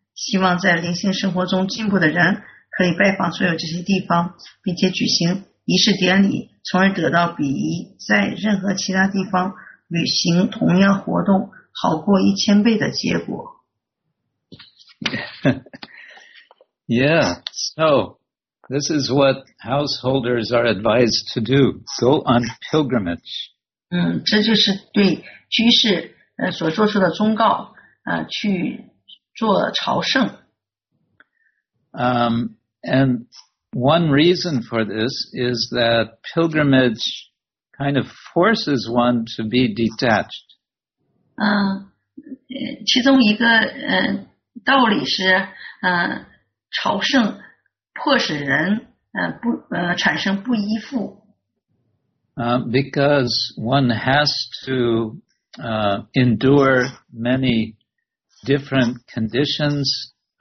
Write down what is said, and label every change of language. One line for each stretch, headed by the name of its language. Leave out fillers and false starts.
Chinese: 希望在灵性生活中进步的人可以拜访所有这些地方，并且举行仪式典礼，从而得到比在任何其他地方履行同样活动好过一千倍的结果。
English: Yeah, so this is what householders are advised to do. Go on pilgrimage.
Chinese: 这就是对居士所做出的忠告，去做朝圣。
English: And one reason for this is that pilgrimage kind of forces one to be detached.
Chinese: 其中一个道理是朝圣迫使人产生不依附。
English: Because one has to endure many different conditions.